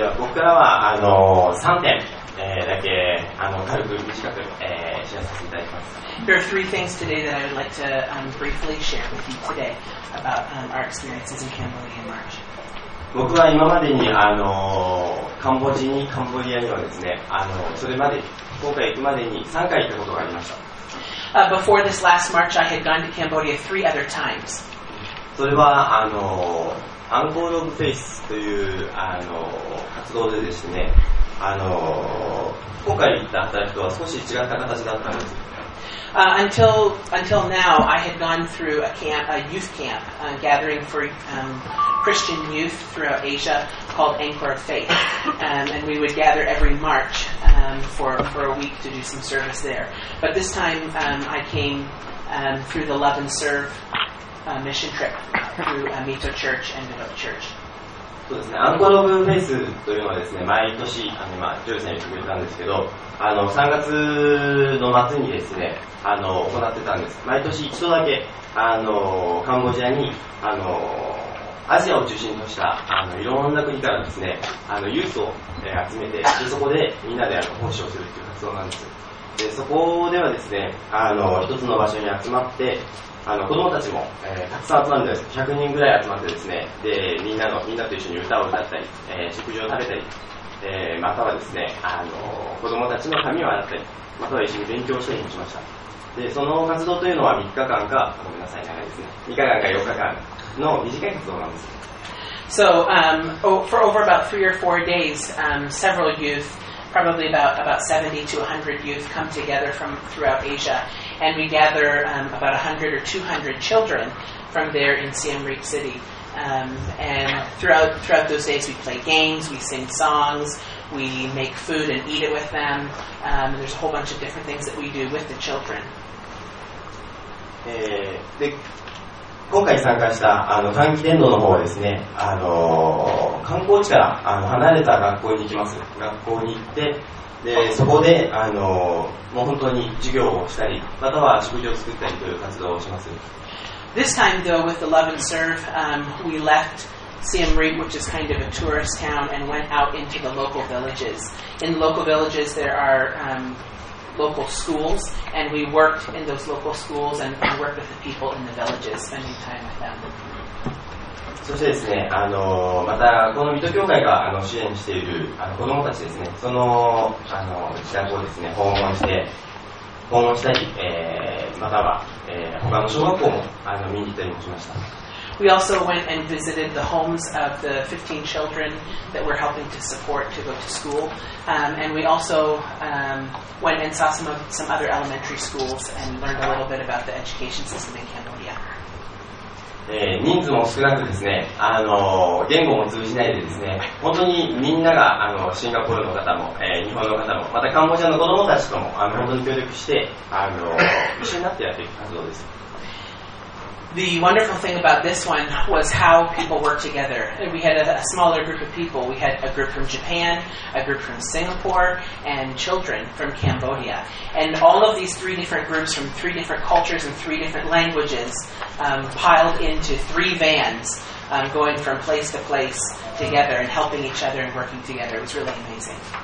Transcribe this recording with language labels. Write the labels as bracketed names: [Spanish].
[Japanese] では僕からは3点、だけ軽く短く、シェアさせていただきます。 [English] There are three things today that I would like to、briefly share with you today about、our experiences in Cambodia in March. [Japanese] 僕は今までに、カンボジアにカンボジアにはですね、それまで今回行くまでに3回行ったことがありました。 [English] Before this last March, I had gone to Cambodia three other times. [Japanese] それはアンコール・オブ・フェイスという活動でですね、今回行った働きとは少し違った形だったんです。 [English] Until now, I had gone through a youth camp, gathering for Christian youth throughout Asia called Anchor of Faith. And we would gather every March for a week to do some service there. But this time I came through the Love and Serve mission trip through Mito Church and Mito Church. [Japanese] そうですね、アンコール・オブ・フェイスというのはですね、毎年今ジョージさんに言ってくれたんですけど、3月の末にですね、行ってたんです。毎年一度だけカンボジアにアジアを中心としたいろんな国からですね、ユースを集めて、でそこでみんなで奉仕をするという活動なんです。でそこではですね、一つの場所に集まって、子供たちも、たくさん集まるんです。 100人ぐらい集まってですね、でみんなと一緒に歌を歌ったり、食事を食べたり、またはですね、子供たちの髪を洗ったり、または一緒に勉強したりもしました。でその活動というのは3日間か、ごめんなさい、長いですね、3日間か4日間の短い活動なんです。 [English] So, for over about 3 or 4 days, several youthProbably about 70 to 100 youth come together from throughout Asia, and we gather about 100 or 200 children from there in Siem Reap City. And throughout those days, we play games, we sing songs, we make food and eat it with them. There's a whole bunch of different things that we do with the children. [Japanese] で今回参加した短期伝道の方はですね、観光地から離れた学校に行きます。学校に行って、でそこでもう本当に授業をしたり、または食事を作ったりという活動をします。 [English] This time though, with the Love and Serve, we left Siem Reap, which is kind of a tourist town, and went out into the local villages. In local villages, there are local schools, and we worked in those local schools and worked with the people in the villages, spending time with them. [Japanese] そしてですね、またこの水戸教会が支援している子どもたちですね、その自宅をですね、訪問したり、または、他の小学校も見に行ったりもしました。 [English] We also went and visited the homes of the 15 children that we're helping to support to go to school. And we also went and saw some other elementary schools and learned a little bit about the education system in Cambodia. [Japanese] 人数も少なくですね、言語も通じないでですね、本当にみんながシンガポールの方も、日本の方も、またカンボジアの子どもたちとも本当に協力して一緒になってやっていく活動です。 [English] The wonderful thing about this one was how people worked together. We had a smaller group of people. We had a group from Japan, a group from Singapore, and children from Cambodia. And all of these three different groups from three different cultures and three different languages piled into three vans going from place to place together and helping each other and working together. It was really amazing.